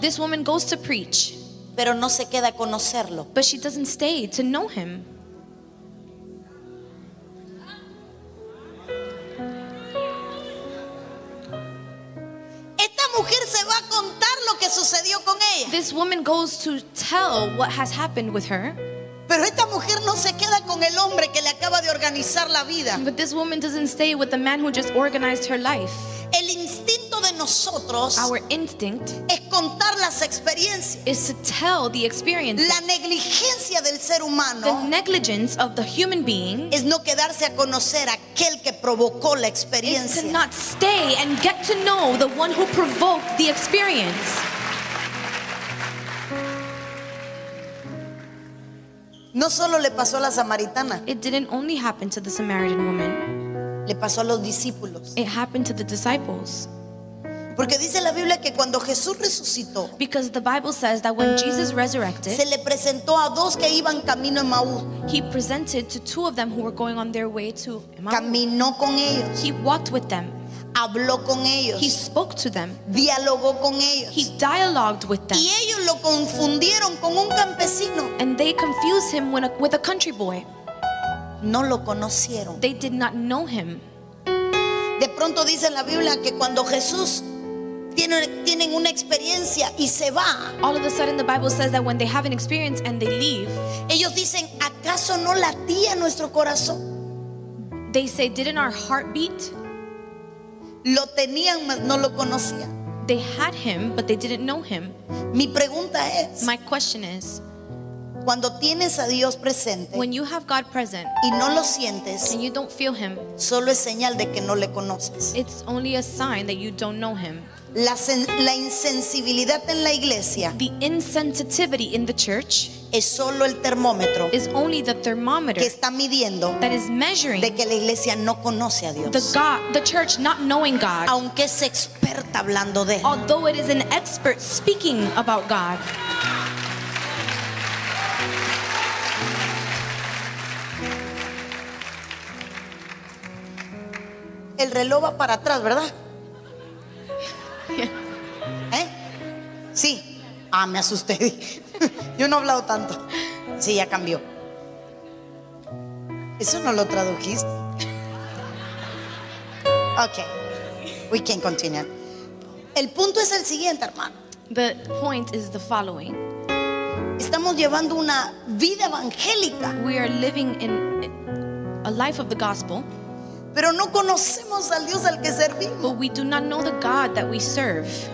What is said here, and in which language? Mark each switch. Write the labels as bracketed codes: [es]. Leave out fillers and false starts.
[en] This woman goes to preach. [es] Pero no se queda a conocerlo. [en] But she doesn't stay to know him. [es] Esta mujer se va a contar lo que sucedió con ella. [en] This woman goes to tell what has happened with her. [es] Pero esta mujer no se queda con el hombre que le acaba de organizar la vida. [en] But this woman doesn't stay with the man who just organized her life. [es] El instinto de nosotros, [en] our instinct, [es] es contar las experiencias, [en] is to tell the experiences. [es] La negligencia del ser humano, [en] the negligence of the human being, [es] es no quedarse a conocer aquel que provocó la experiencia, [en] is to not stay and get to know the one who provoked the experience. [es] No solo le pasó a la Samaritana. [en] It didn't only happen to the Samaritan woman. [es] Le pasó a los discípulos. [en] It happened to the disciples. [es] Porque dice la Biblia que cuando Jesús resucitó, [en] because the Bible says that when Jesus resurrected, [es] se le presentó a dos que iban camino a Emaús. [en] He presented to two of them who were going on their way to Emaús. [es] Caminó con ellos. [en] He walked with them. [es] Habló con ellos. [en] He spoke to them. [es] Dialogó con ellos. [en] He dialogued with them. [es] Y ellos lo confundieron con un campesino. [en] And they confused him with a country boy. [es] No lo conocieron. [en] They did not know him. [es] De pronto dice la Biblia que cuando Jesús tienen una experiencia y se va, [en] all of a sudden the Bible says that when they have an experience and they leave, [es] ellos dicen, ¿acaso no latía nuestro corazón? [en] They say, didn't our heart beat? [es] Lo tenían, mas no lo conocían. [en] They had him, but they didn't know him. [es] Mi pregunta es, [en] my question is, [es] cuando tienes a Dios presente, [en] when you have God present, [es] y no lo sientes, [en] and you don't feel him, [es] solo es señal de que no le conoces. [en] It's only a sign that you don't know him. [es] la insensibilidad en la iglesia, [en] the insensitivity in the church, [es] es solo el termómetro, [en] is only the thermometer, [es] que está midiendo, [en] that is measuring, [es] de que la iglesia no conoce a Dios, [en] the church not knowing God, [es] aunque es experta hablando de, [en] although it is an expert speaking about God. [es] El reloj va para atrás, ¿verdad? [en] Yes. [es] ¿Eh? Sí. Ah, me asusté. Yo no he hablado tanto. Sí, ya cambió. ¿Eso no lo tradujiste? [en] Ok. We can continue. [es] El punto es el siguiente, hermano. [en] The point is the following. [es] Estamos llevando una vida evangélica. [en] We are living in a life of the gospel. [es] Pero no conocemos al Dios al que servimos. [en] But we do not know the God that we serve.